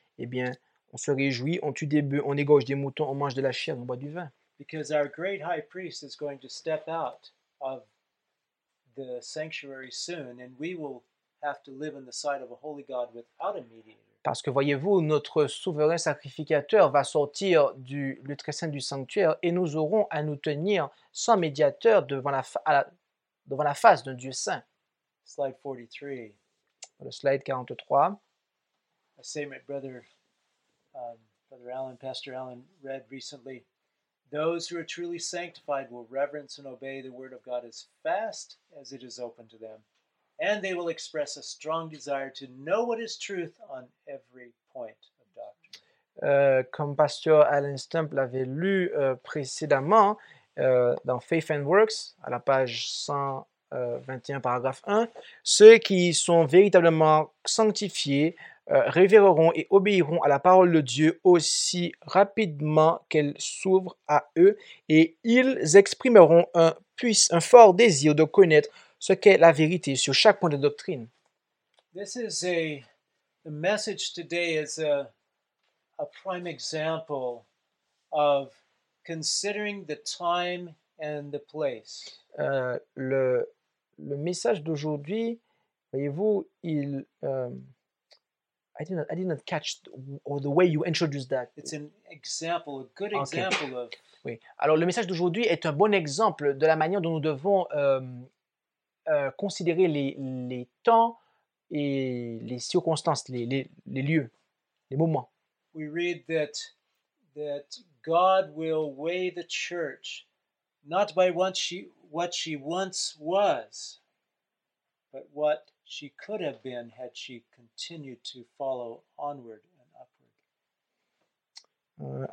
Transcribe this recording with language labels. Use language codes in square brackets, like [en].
[fr] Eh bien, on se réjouit, on tue des bœufs, on égorge des moutons, on mange de la chair, on boit du vin. [en] Because our great high priest is going to step out of the sanctuary soon, and we will have to live in the sight of a holy God without a mediator. [fr] Parce que voyez-vous, notre souverain sacrificateur va sortir du lieu très saint du sanctuaire et nous aurons à nous tenir sans médiateur devant la face d'un Dieu saint. [en] Slide 43. [fr] Le slide 43. [en] I say my brother, Brother Alan, Pastor Alan, read recently, those who are truly sanctified will reverence and obey the word of God as fast as it is open to them. And they will express a strong desire to know what is truth on every point of doctrine. [fr] Comme Pasteur Alan Stump l'avait lu précédemment dans Faith and Works, à la page 121, paragraphe 1, ceux qui sont véritablement sanctifiés révéreront et obéiront à la parole de Dieu aussi rapidement qu'elle s'ouvre à eux, et ils exprimeront un fort désir de connaître ce qu'est la vérité sur chaque point de doctrine. [en] This is the message today is a prime example of considering the time and the place. [fr] Le message d'aujourd'hui, voyez-vous, il [en] I did not catch the way you introduced that. It's an example, a good example of. [fr] Oui. Alors le message d'aujourd'hui est un bon exemple de la manière dont nous devons considérer les temps et les circonstances, les lieux, les moments. [en] We read that God will weigh the church not by what she once was, but what she could have been had she continued to follow onward and upward.